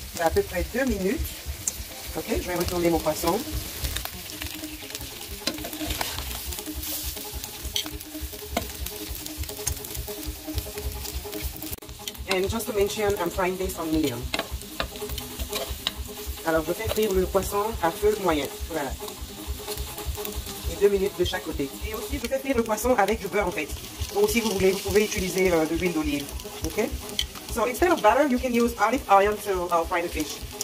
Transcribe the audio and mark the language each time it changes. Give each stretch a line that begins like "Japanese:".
French: C'est à peu près 2 minutes. Okay, je vais retourner mon poisson.
English: And just to mention, I'm frying this on medium.
French: Alors, je vais frire le poisson à feu moyen. Voilà. Et 2 minutes de chaque côté. Et aussi, je vais frire le poisson avec du beurre, en fait. Donc, si vous voulez, vous pouvez utiliser de l'huile d'olive. OK?
English: So, instead of butter, you can use olive oil to fry the fish.